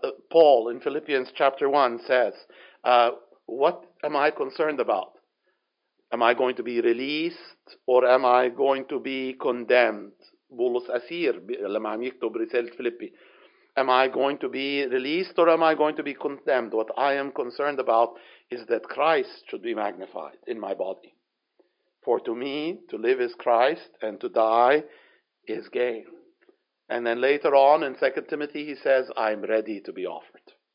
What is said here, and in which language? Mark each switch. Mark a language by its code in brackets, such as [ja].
[en] Paul in Philippians chapter 1 says, "What am I concerned about? Am I going to be released or am I going to be condemned?" [ar] بولس أسير لما عم يكتب رسالة فيليبي. [en] "Am I going to be released or am I going to be condemned? What I am concerned about is that Christ should be magnified in my body. For to me, to live is Christ and to die is gain." And then later on in 2 Timothy, he says, "I am ready to be offered.